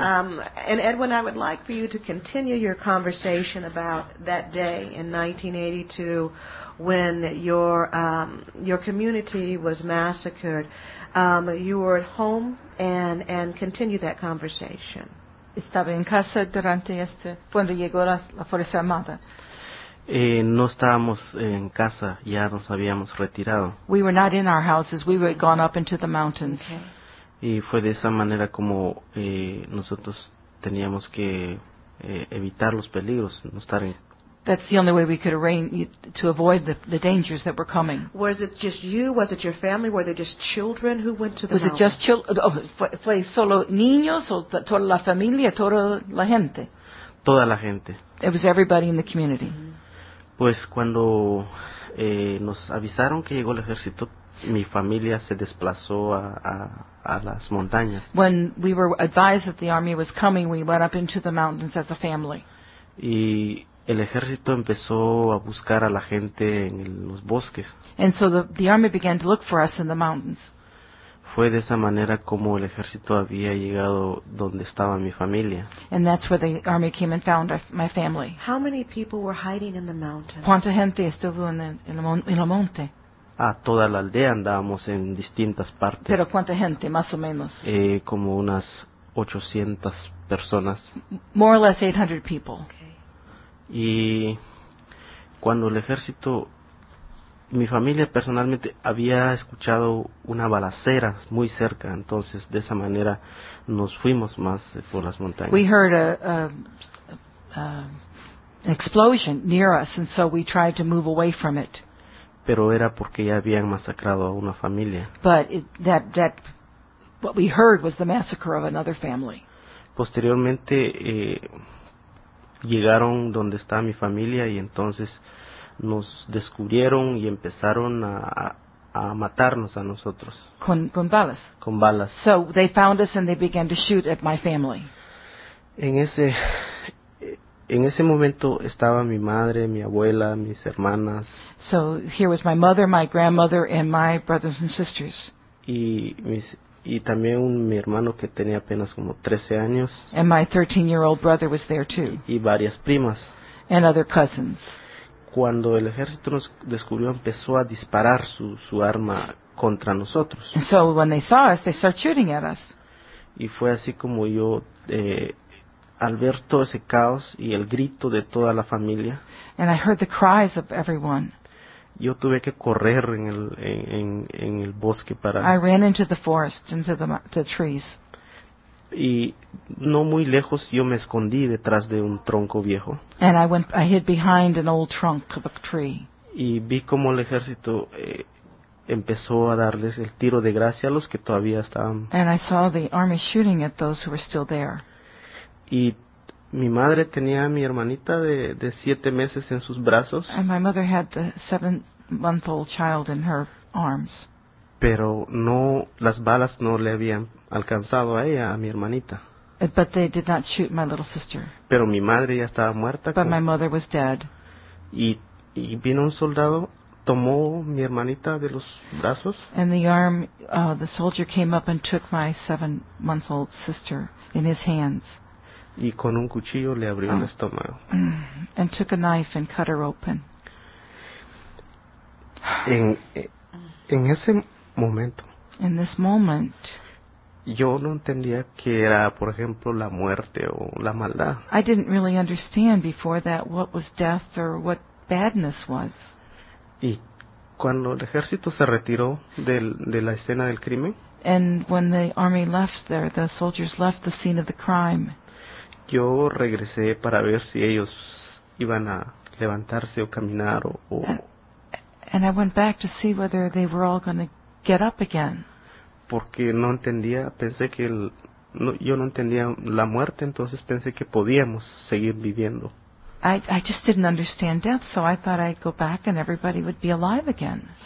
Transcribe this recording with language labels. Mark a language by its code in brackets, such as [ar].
[en] And Edwin, I would like for you to continue your conversation about that day in 1982 when your community was massacred. You were at home and continue that conversation. [es] Estaba en casa durante este cuando llegó la Fuerza Armada. No estábamos en casa, ya nos habíamos retirado. [en] We were not in our houses, we had gone up into the mountains. Okay. [es] Y fue de esa manera como nosotros teníamos que evitar los peligros, no estar en... [en] That's the only way we could arrange to avoid the dangers that were coming. Was it just you? Was it your family? Were there just children who went to the mountains? [es] Fue solo niños o toda la familia, toda la gente? Toda la gente. [en] It was everybody in the community. Mm-hmm. [es] Pues cuando nos avisaron que llegó el ejército, mi familia se desplazó a las montañas. [en] When we were advised that the army was coming, we went up into the mountains as a family. [es] Y el ejército empezó a buscar a la gente en los bosques. [en] And so the army began to look for us in the mountains. [es] Fue de esa manera como el ejército había llegado donde estaba mi familia. [en] And that's where the army came and found my family. How many people were hiding in the mountains? [es] ¿Cuánta gente estuvo en el monte? A toda la aldea andábamos en distintas partes. ¿Pero cuánta gente, más o menos? Como unas 800 personas. [en] More or less 800 people. Okay. [es] Y cuando el ejército, mi familia personalmente había escuchado una balacera muy cerca, entonces de esa manera nos fuimos más por las montañas. [en] We heard an explosion near us, and so we tried to move away from it. [es] Pero era porque ya habían masacrado a una familia. [en] But that what we heard was the massacre of another family. [es] Posteriormente llegaron donde está mi familia y entonces nos descubrieron y empezaron a matarnos a nosotros. Con balas. Con balas. [en] So they found us and they began to shoot at my family. [es] En ese momento estaba mi madre, mi abuela, mis hermanas. [en] So here was my mother, my grandmother, and my brothers and sisters. [es] Y también mi hermano que tenía apenas como 13 años. [en] And my 13-year-old brother was there too. [es] Y varias primas. [en] And other cousins. [es] Cuando el ejército nos descubrió, empezó a disparar su arma contra nosotros. [en] And so when they saw us, they started shooting at us. [es] Y fue así como yo... al ver todo ese caos y el grito de toda la familia, [en] and I heard the cries of everyone. [es] Yo tuve que correr en el bosque para... [en] I ran into the forest, into the trees. [es] Y no muy lejos yo me escondí detrás de un tronco viejo. [en] And I hid behind an old trunk of a tree. [es] Y vi como el ejército empezó a darles el tiro de gracia a los que todavía estaban. [en] And I saw the army shooting at those who were still there. [es] Y mi madre tenía a mi hermanita de 7 meses en sus brazos. [en] And my mother had the 7-month-old child in her arms. [es] Pero no, las balas no le habían alcanzado a ella, a mi hermanita. [en] But they did not shoot my little sister. [es] Pero mi madre ya estaba muerta. [en] But my mother was dead. [es] Y vino un soldado, tomó mi hermanita de los brazos. [en] And the arm, the soldier came up and took my 7-month-old sister in his hands. [es] Y con un cuchillo le abrió el estómago. [en] And took a knife and cut her open. [es] En ese momento. [en] In this moment. [es] Yo no entendía que era, por ejemplo, la muerte o la maldad. [en] I didn't really understand before that what was death or what badness was. [es] Y cuando el ejército se retiró de la escena del crimen. [en] And when the army left there, the soldiers left the scene of the crime. [es] Yo regresé para ver si ellos iban a levantarse o caminar o. [en] And I went back to see whether they were all going to get up again. [es] Porque no entendía, pensé que yo no entendía la muerte, entonces pensé que podíamos seguir viviendo. [en] I just didn't understand death, so I thought I'd go back and everybody would be alive again.